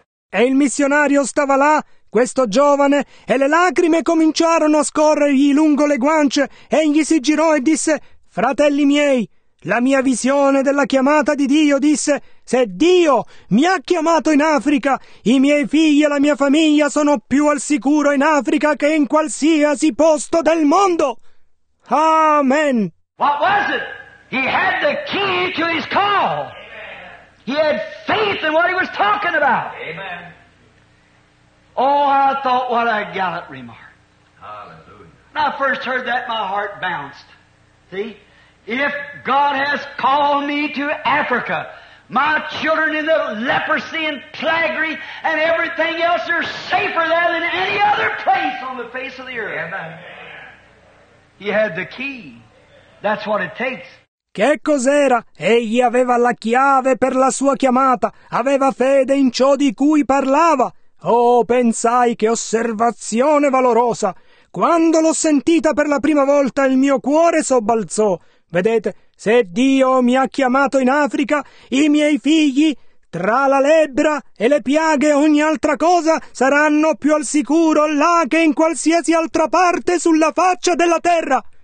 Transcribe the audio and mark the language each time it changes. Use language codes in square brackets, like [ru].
[it] E il missionario stava là, questo giovane, e le lacrime cominciarono a scorrergli lungo le guance, e egli si girò e disse, fratelli miei, la mia visione della chiamata di Dio, disse, se Dio mi ha chiamato in Africa, i miei figli e la mia famiglia sono più al sicuro in Africa che in qualsiasi posto del mondo. [en] Amen. What was it? He had the key to his call. He had faith in what he was talking about. Amen. Oh, I thought what a gallant remark. Hallelujah. When I first heard that, my heart bounced. See? If God has called me to Africa, my children in the leprosy and plaguey and everything else are safer there than any other place on the face of the earth. Amen. He had the key. That's what it takes. [it] Che cos'era? Egli aveva la chiave per la sua chiamata, aveva fede in ciò di cui parlava. Oh, pensai, che osservazione valorosa! Quando l'ho sentita per la prima volta, il mio cuore sobbalzò. Vedete, se Dio mi ha chiamato in Africa, i miei figli, tra la lebbra e le piaghe e ogni altra cosa, saranno più al sicuro là che in qualsiasi altra parte sulla faccia della terra.